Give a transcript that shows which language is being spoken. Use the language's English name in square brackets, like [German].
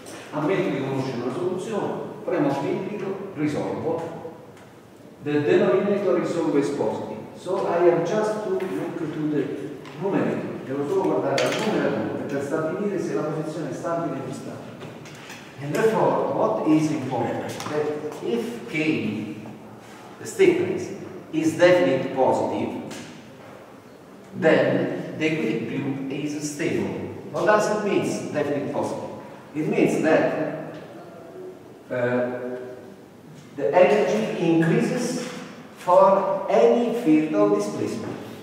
[Italian] Ammetto di conoscere una soluzione, premo filtro, risolvo. [English] The denominator is always positive. So I have just to look to the numerator. [Italian] Devo solo guardare al numerator per stabilire se la posizione è stabile o instabile. [English] And therefore, what is important? That if k, the stiffness, is definitely positive, then the equilibrium is stable. What does it mean, definitely positive? It means that the energy increases for any field of displacement.